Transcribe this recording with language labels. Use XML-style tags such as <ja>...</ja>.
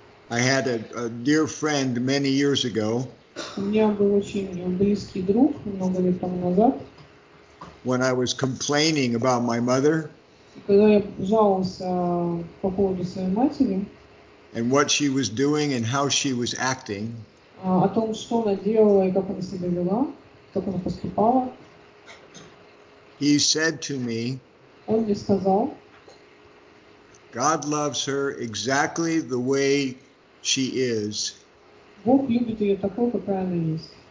<en>I had a dear friend many years ago.</en> <ru>У меня был очень близкий друг много лет назад.</ru> <en>When I was complaining about my mother.</en> <ru>Когда я жаловался по поводу своей матери.</ru> <en>And what she was doing and how she was acting.</en> <ru>О том, что она делала и как она себя вела, как она поступала.</ru> <en>He said to me.</en> <ru>Он мне сказал.</ru> <en>God loves her exactly the way she is.</en> <ru>Бог любит ее такой, какая она есть.</ru>